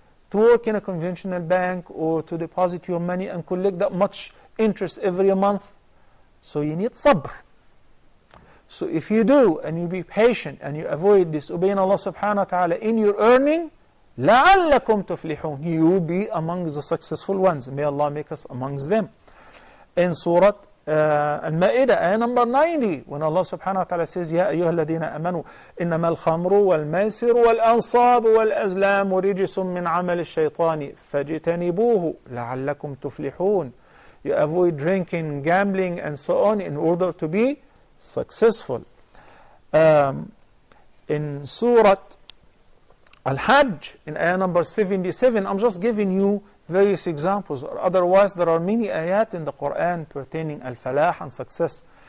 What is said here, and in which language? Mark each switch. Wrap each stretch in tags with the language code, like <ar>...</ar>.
<en>To work in a conventional bank or to deposit your money and collect that much interest every month. So you need sabr. So if you do and you be patient and you avoid disobeying Allah subhanahu wa ta'ala in your earning,</en> <ar>لَعَلَّكُمْ تُفْلِحُونَ,</ar> <en>you will be among the successful ones. May Allah make us amongst them. In Surah</en> <ar>المائدة آية</ar> <en>number 90 when Allah subhanahu wa ta'ala says</en> <ar>يا أيها الذين أمنوا إنما الخمر والميسر والأنصاب والأزلام رجس من عمل الشيطان فاجتنبوه لعلكم تفلحون.</ar> <en>You avoid drinking, gambling and so on in order to be successful. In Surah Al-Hajj in ayah number 77, I'm just giving you various examples. Otherwise, there are many ayat in the Quran pertaining al-falah and success.</en>